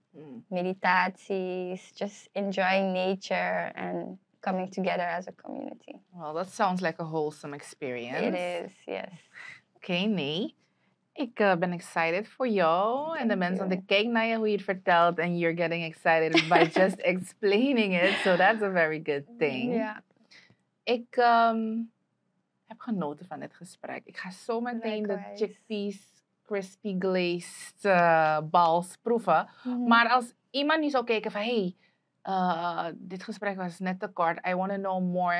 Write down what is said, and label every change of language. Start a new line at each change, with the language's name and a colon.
English: Mm. Meditaties. Just enjoying nature. And coming together as a community. Well, that sounds like a wholesome experience. It is, yes.
Dutch: Okay, nee. Ik ben excited voor jou en de mensen aan de kijk naar je hoe je het vertelt.
English: And you're getting excited by just explaining it. So that's a very good thing. Yeah.
Dutch: Ik heb genoten van dit gesprek. Ik ga zo meteen de chickpeas crispy glazed balls proeven. Mm-hmm. Maar als iemand nu zou kijken van, hey, dit gesprek was net te kort.
English: I want to know more.